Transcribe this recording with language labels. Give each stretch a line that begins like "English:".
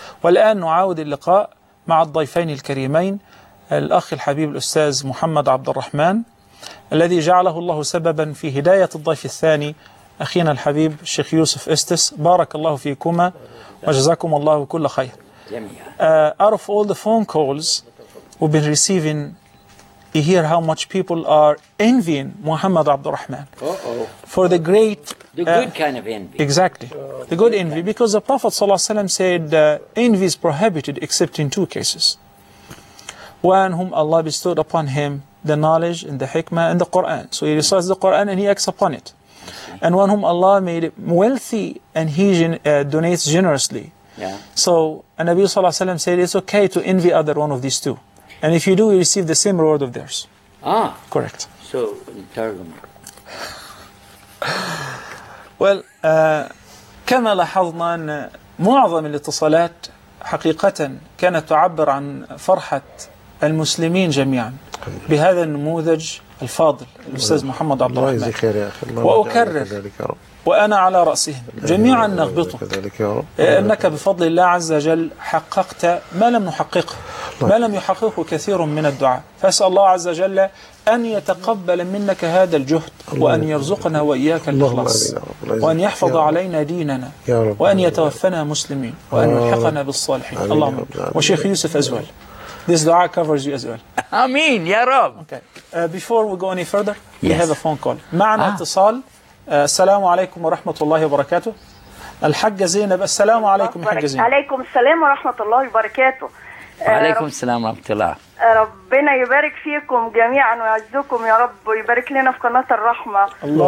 Arabic: والآن نعاود اللقاء مع الضيفين الكريمين، الأخ الحبيب الأستاذ محمد عبد الرحمن الذي جعله الله سببا في هداية الضيف الثاني أخينا الحبيب الشيخ يوسف إستس، بارك الله فيكما وجزاكم الله كل خير.
English: Out of all the phone calls we've been receiving, you hear how much people are envying Muhammad عبد الرحمن for the great the good kind of envy. Exactly, the good envy, because the Prophet صلى الله عليه وسلم said envy is prohibited except in two cases: one whom Allah bestowed upon him the knowledge and the hikmah and the Quran, so he recites the Quran and he acts upon it, and one whom Allah made wealthy and he donates generously. So an Nabi sallallahu alaihi wasallam said it's okay to envy other one of these two, and if you do you receive the same reward of theirs. Correct. So in Targum.
Arabic: Well, كما لاحظنا أن معظم الاتصالات حقيقة كانت تعبر عن فرحة المسلمين جميعا بهذا النموذج الفاضل الأستاذ محمد عبد الرحمن. الله يجزيك خير يا أخي. وأكرر وأنا على رأسهم جميعا نغبطك، أنك بفضل الله عز وجل حققت ما لم نحققه، ما لم يحققه كثير من الدعاء، فأسأل الله عز وجل أن يتقبل منك هذا الجهد وأن يرزقنا وإياك الإخلاص وأن يحفظ علينا ديننا وأن يتوفنا مسلمين وأن يلحقنا بالصالحين. اللهم وشيخ يوسف أزول،
English: this dua covers you as well.
Arabic: Ameen, ya Rab.
English: Okay. Before we go any further, yes, we have a phone call.
Arabic: معنا اتصال. السلام عليكم ورحمة الله وبركاته. الحجة زينب. السلام عليكم الحجة زينب. عليكم السلام ورحمة الله وبركاته. عليكم السلام ورحمة الله. ربنا يبارك فيكم جميعا ويعزكم يا رب، ويبارك لنا في قناة الرحمة. اللهم